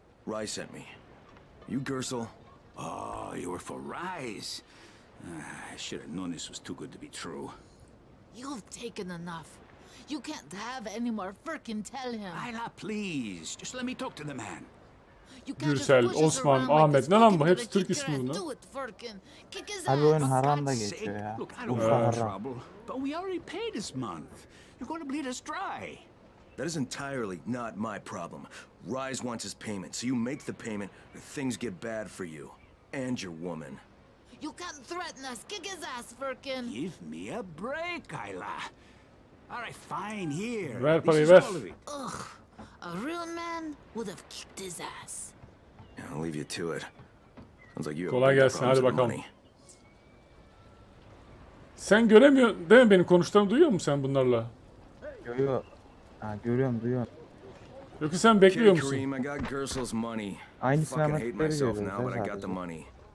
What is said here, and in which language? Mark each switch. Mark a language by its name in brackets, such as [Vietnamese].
[English] Rye sent me. You Gersel? Oh, you were for Rye's. I should have known this was too good to be true. You've taken enough. You can't have any more. Freaking tell him. Ayla, please. Just let me talk to the man. [Turkish] Gürsel, Osman, Ahmet. Ne lan bu? Hepsi Türk ismi bunu. Abi oyun haram da geçiyor ya. [English] That is entirely not my problem. Rise wants his payment. So you make the payment or things get bad for you and your woman. You can't threaten us. Kick his ass, Firkin. Give me a break, Ayla. All right, fine here. [Turkish] Ver parayı, ver. Ugh. [English] A real man would have kicked his ass. I'll leave you to it. Sounds like you have. [Turkish] Kolay gelsin, hadi bakalım. Sen göremiyor değil mi benim konuştuğumu, duyuyor musun sen bunlarla? Görüyorum. Ha, görüyorum, duyuyorum. Yoksa sen bekliyor musun? Aynı sinematikleri görüyorum.